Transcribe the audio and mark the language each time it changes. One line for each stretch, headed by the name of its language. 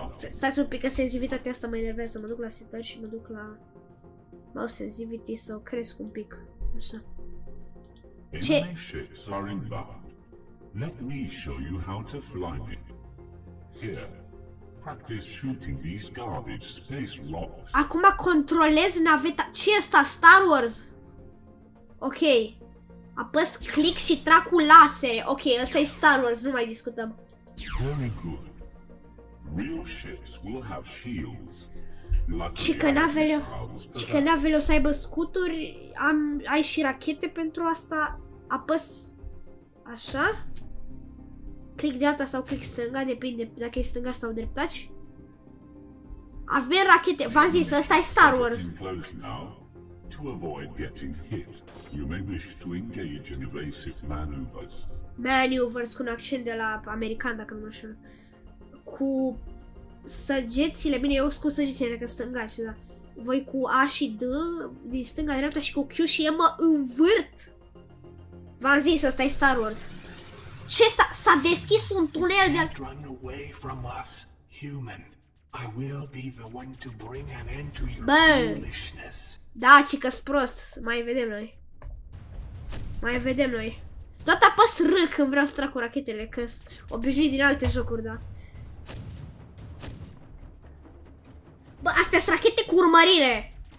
Romanian: Stați un pic, că sensibilitatea asta mă enervează, mă duc la setări și mă duc la mouse sensitivity să o cresc un pic, așa.
English: Ce? Ships are inbound. Let me show you how to fly me. Here, practice shooting these garbage space rocks.
Romanian: Acum controlez naveta. Ce e asta? Star Wars? Ok. Apăs click și tracul lase. Ok, ăsta e Star Wars, nu mai discutăm.
English: Very good. Real ships will have shields.
Romanian: Ci că navele o să aibă scuturi, ai și rachete pentru asta. Apăs așa. Click dreapta sau click stânga, depinde dacă e stânga sau dreptaci. Avem rachete, v-am zis, ăsta e Star Wars.
English: To avoid getting hit, you may wish to engage in evasive maneuvers.
Romanian: Maneuvers, cu un accent de la american, dacă nu știu. Cu săgețile, bine, eu cu săgețile, dacă stânga și da. Voi cu A și D, din stânga, dreapta și cu Q și M, învârt. V-am zis, ăsta e Star Wars. Ce, s-a deschis un tunel de...
English: Run away from us, human. I will be the one to bring an end to your foolishness.
Romanian: Da, ci că-s prost. Mai vedem noi. Toată apăs R când vreau să trag cu rachetele, că-s obișnuit din alte jocuri, da. Bă, astea-s rachete cu urmărire!